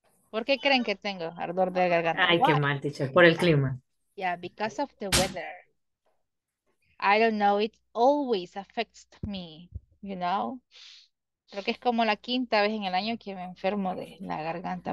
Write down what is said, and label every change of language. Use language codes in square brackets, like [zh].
[es] ¿Por qué creen que tengo ardor de garganta? Ay, qué [en] Why? [es] mal, teacher, por el clima. [en] Yeah, because of the weather. I don't know, it always affects me, you know? [es] Creo que es como la quinta vez en el año que me enfermo de la garganta.